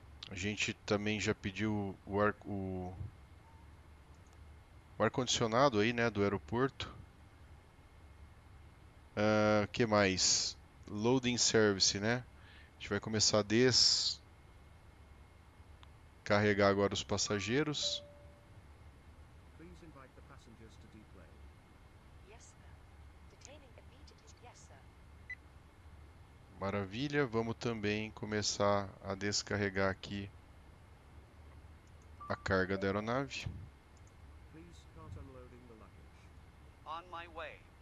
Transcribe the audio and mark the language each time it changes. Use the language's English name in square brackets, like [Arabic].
[Portuguese] A gente também já pediu o ar-condicionado aí, né, do aeroporto. Que mais? Loading service, né? A gente vai começar a descarregar agora os passageiros. [English] Please invite the passengers to deplane. Yes, sir. Detaining immediately. Yes, sir. [Portuguese] Maravilha, vamos também começar a descarregar aqui a carga da aeronave. [English] Please cart unloading the luggage. On my way.